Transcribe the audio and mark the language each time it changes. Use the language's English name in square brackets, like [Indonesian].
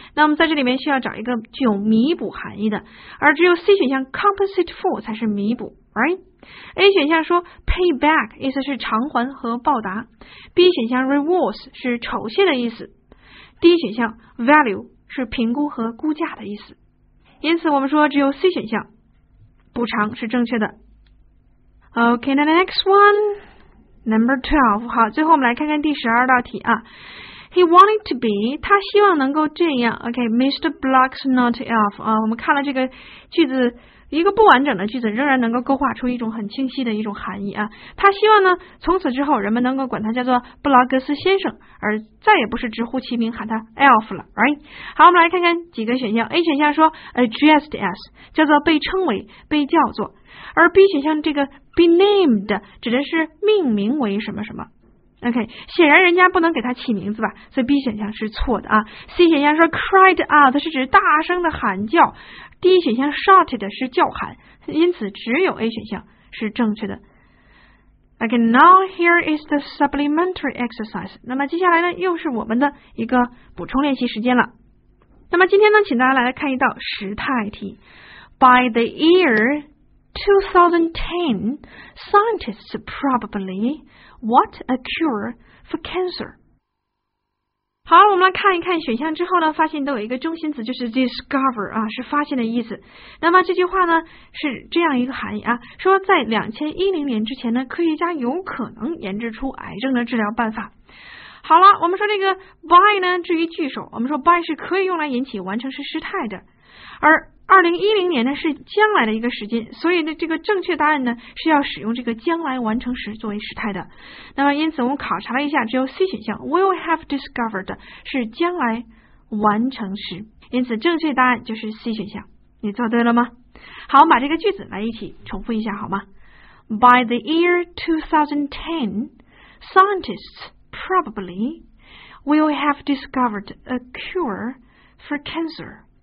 [Chinese] 那我们在这里面需要找一个具有弥补含义的，而只有 C 选项 compensate for 才是弥补， right？A 选项说 pay back 意思是偿还和报答， B 选项 rewards 是酬谢的意思， D 选项 value 是评估和估价的意思，因此我们说只有 C 选项补偿是正确的。 [English] OK, the next one。 Number 12。 [Chinese] 好，最后我们来看看第十二道题啊。 [English] He wanted to be， [Chinese] 他希望能够这样。 [English] OK, Mr. Block's not enough [Chinese] 啊，我们看了这个句子，一个不完整的句子仍然能够勾画出一种很清晰的一种含义啊。他希望呢从此之后人们能够管他叫做布劳格斯先生，而再也不是直呼其名喊他 elf 了， right？好，我们来看看几个选项。A 选项说 addressed as 叫做被称为被叫做，而 B 选项这个 be named 指的是命名为什么什么。 OK， 显然人家不能给他起名字吧，所以 B 选项是错的啊。 C 选项说 cried out 是指大声的喊叫，第一选项 shouted 是叫喊，因此只有 A 选项是正确的。 [English] OK, now here is the supplementary exercise。 [Chinese] 那么接下来呢又是我们的一个补充练习时间了。那么今天呢请大家来看一道时态题。 [English] By the year 2010 scientists probably what a cure for cancer。 [Chinese] 好，我们来看一看选项之后呢，发现都有一个中心词，就是 discover 啊，是发现的意思。那么这句话呢是这样一个含义啊，说在2010年之前呢，科学家有可能研制出癌症的治疗办法。好了，我们说这个 by 呢，至于句首，我们说 by 是可以用来引起完成式时态的，而2010年呢是将来的一个时间，所以呢这个正确答案呢是要使用这个将来完成时作为时态的。那么因此我们考察了一下，只有 C 选项 will have discovered 是将来完成时，因此正确答案就是 C 选项。你做对了吗？好，我们把这个句子来一起重复一下好吗？ [English] By the year 2010, scientists probably will have discovered a cure for cancer.